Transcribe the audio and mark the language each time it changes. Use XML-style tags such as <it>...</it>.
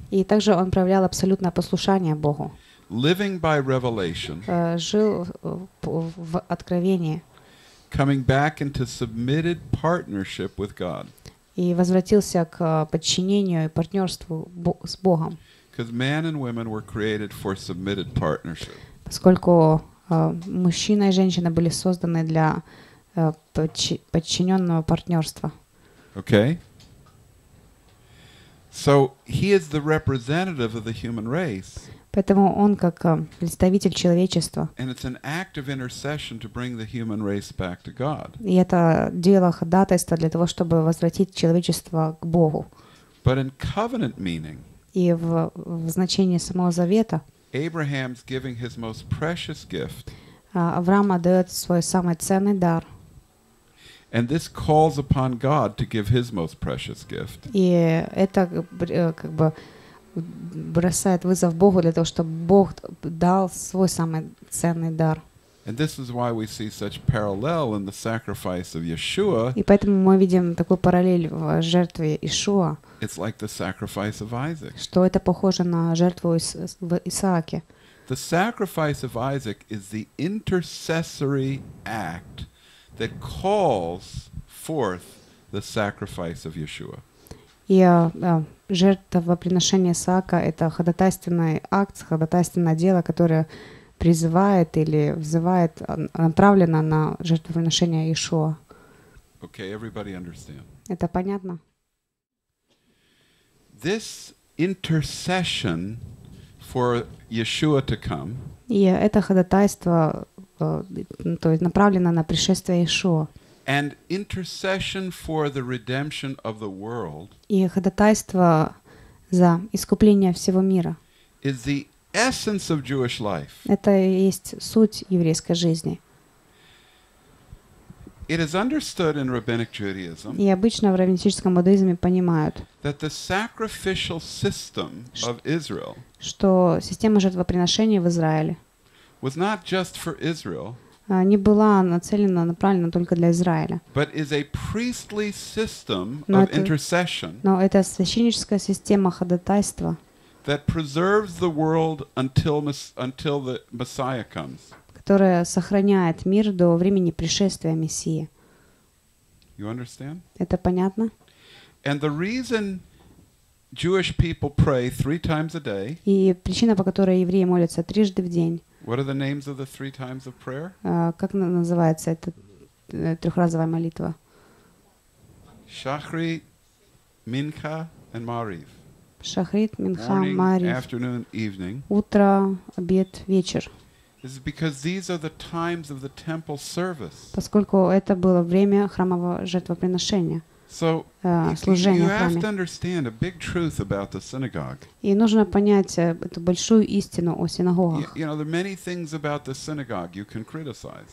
<ru>И также он проявлял абсолютное послушание Богу.</ru> <en>Living by revelation.</en> <ru>Жил в откровении.</ru> <en>Coming back into submitted partnership with God.</en> <ru>И возвратился к подчинению и партнерству с Богом.</ru> <en>Because man and women were created for submitted partnership.</en> <ru>Поскольку мужчина и женщина были созданы для подчиненного партнерства.</ru> <en>Okay. So he is the representative of the human race.</en> <ru>Поэтому он как представитель человечества.</ru> <en>And it's an act of intercession to bring the human race back to God.</en> <ru>И это дело ходатайства для того, чтобы возвратить человечество к Богу.</ru> <en>But in covenant meaning.</en> <ru>И в значении самого завета.</ru> <en>Abraham's giving his most precious gift.</en> <ru>Авраам отдает свой самый ценный дар.</ru> <en>And this calls upon God to give His most precious gift.</en> <ru>И это как бы бросает вызов Богу для того, чтобы Бог дал свой самый ценный дар.</ru> <en>And this is why we see such parallel in the sacrifice of Yeshua.</en> <ru>И поэтому мы видим такую параллель в жертве Иешуа.</ru> <en>It's like the sacrifice of Isaac.</en> <ru>Что это похоже на жертву в Исааке?</ru> <en>The sacrifice of Isaac is the intercessory act that calls forth the sacrifice of Yeshua.</en> <ru>Жертвоприношение Исаака — это ходатайственный акт, ходатайственное дело, которое призывает или взывает, направлено на жертвоприношение Иешуа.</ru> <en>Okay, everybody understand.</en> <ru>Это понятно?</ru> <en>This intercession for Yeshua to come.</en> <ru>Это ходатайство, то есть направлено на пришествие Иешуа.</ru> <en>And intercession for the redemption of the world.</en> <ru>И ходатайство за искупление всего мира.</ru> <en>Is the essence of Jewish life.</en> <ru>Это и есть суть еврейской жизни.</ru> <en>It is understood in rabbinic Judaism.</en> <ru>И обычно в раввинистическом иудаизме понимают.</ru> <en>That the sacrificial system of Israel.</en> <ru>Что система жертвоприношения в Израиле.</ru> <en>Was not just for Israel.</en> <ru>Не была нацелена, направлена только для Израиля.</ru> <en>But is a priestly system of intercession.</en> <ru>Но это священническая система ходатайства.</ru> <en>That preserves the world until the Messiah comes.</en> <ru>Которая сохраняет мир до времени пришествия Мессии.</ru> <en>You understand?</en> <ru>Это понятно?</ru> <en>And the reason Jewish people pray three times a day.</en> <ru>И причина, по которой евреи молятся трижды в день.</ru> <en>What are the names of the three times of prayer?</en> <ru>Как называется эта трехразовая молитва?</ru> <en>Шахрит, Минха and Маариф.</en> <ru>Шахрит, Минха, Маариф.</ru> <en>Afternoon, evening.</en> <ru>Утро, обед, вечер.</ru> <en>This is because these are the times of the temple service.</en> <ru>Поскольку это было время храмового жертвоприношения.</ru> <en>So,</en> <ru>служения в храме.</ru> <en>You have to understand a big truth about the synagogue.</en> <ru>И нужно понять эту большую истину о синагогах.</ru> <en>You know, there are many things about the synagogue you can criticize.</en>